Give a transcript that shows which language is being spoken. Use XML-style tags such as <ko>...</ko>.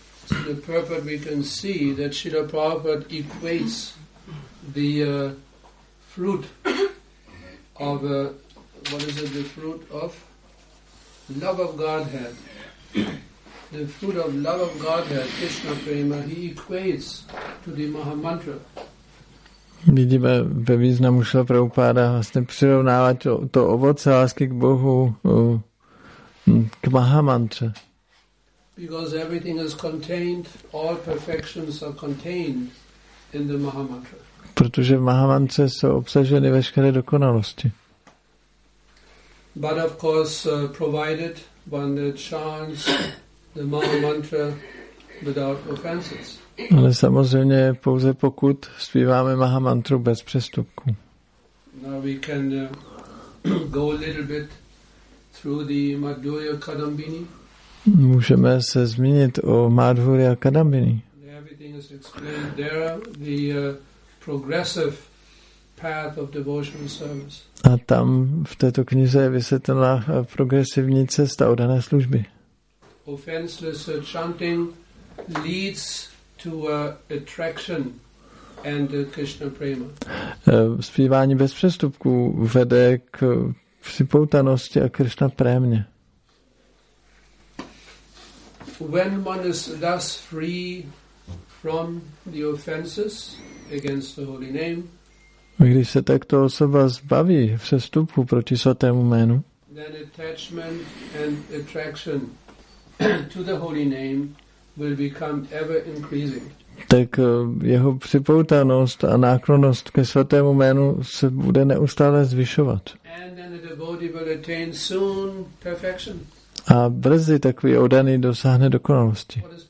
<en>In the purport we can see that Srila Prabhupada equates the fruit of, what is it, the fruit of love of Godhead. The fruit of love of Godhead, Krishna Prema, he equates to the Maha Mantra.</en> <cs>Vidíme ve významu Srila Prabhupada vlastně přirovnává to ovoce lásky k Bohu k Maha Mantra.</cs> <en>Because everything is contained, all perfections are contained in the Maha Mantra.</en> <cs>Protože v Maha Mantře jsou obsaženy veškeré dokonalosti.</cs> <en>But of course, provided one the chants the Maha Mantra without offenses.</en> <cs>Ale samozřejmě pouze pokud zpíváme Maha Mantru bez přestupku.</cs> <en>Now we can go a little bit through the Madhurya Kadambini.</en> <cs>Můžeme se zmínit o Madhurya Kadambini.</cs> <en>Everything is explained there, the progressive path of devotional service.</en> <cs>A tam v této knize je vysvětlena progresivní cesta oddané služby.</cs> <en>Offenseless chanting leads to attraction and Krishna prema.</en> <cs>Zpívání bez přestupků vede k připoutanosti a Krishna prémě.</cs> <en>When one is thus free from the offenses against the holy name,</en> <cs>když se takto osoba zbaví přestupu proti svatému jménu,</cs> <en>then attachment and attraction to the holy name will become ever increasing.</en> <cs>Tak jeho připoutanost a náklonnost ke svatému jménu se bude neustále zvyšovat.</cs> <en>And then the devotee will attain soon perfection.</en> <cs>A brzy takový oddaný dosáhne dokonalosti.</cs>